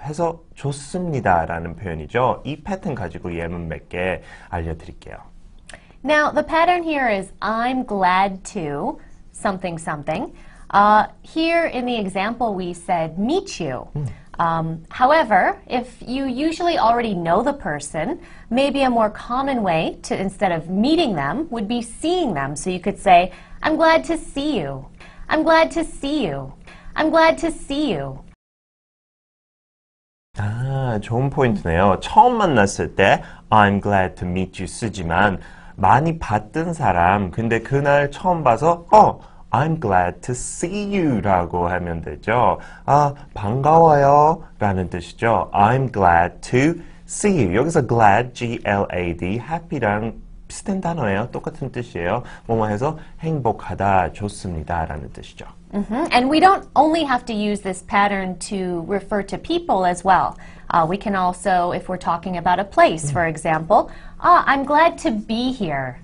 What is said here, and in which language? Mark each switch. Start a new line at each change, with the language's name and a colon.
Korean: 해서 좋습니다 라는 표현이죠. 이 패턴 가지고 예문 몇 개 알려드릴게요.
English: Now, the pattern here is I'm glad to something something. Here in the example, we said meet you. However, if you usually already know the person, maybe a more common way to instead of meeting them would be seeing them. So you could say, I'm glad to see you. I'm glad to see you. I'm glad to see you.
Korean: 아, 좋은 포인트네요. 처음 만났을 때
English: I'm glad to meet you
Korean: 쓰지만 많이 봤던 사람, 근데 그날 처음 봐서
English: I'm glad to see you
Korean: 라고 하면 되죠. 아, 반가워요 라는 뜻이죠.
English: I'm glad to see you.
Korean: 여기서 glad, G-L-A-D, happy랑 비슷한 단어예요. 똑같은 뜻이에요. 뭐뭐 해서 행복하다, 좋습니다 라는 뜻이죠. Mm-hmm.
English: And we don't only have to use this pattern to refer to people as well. We can also, if we're talking about a place, for example, I'm glad to be here.